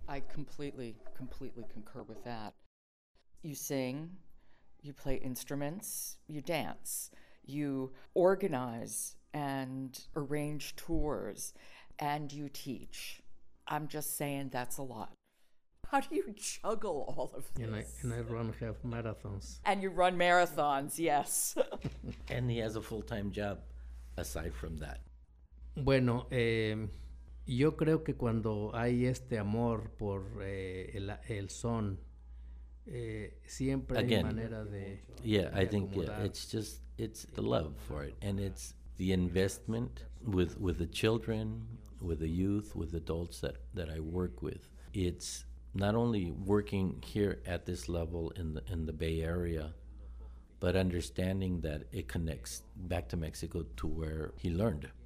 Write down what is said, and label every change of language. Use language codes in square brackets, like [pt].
[en] I completely, completely concur with that. You sing, you play instruments, you dance, you organize and arrange tours, and you teach. I'm just saying, that's a lot. How do you juggle all of this? And I run half marathons. And you run marathons, yes. And he has a full-time job aside from that. [es] Bueno, yo creo que cuando hay este amor por el son, siempre [en] Again, [es] hay manera de [en] Yeah, [es] de [en] I think yeah, it's the love for it. And it's the investment with the children, with the youth, with adults that I work with. It's not only working here at this level in the Bay Area, but understanding that it connects back to Mexico to where he learned.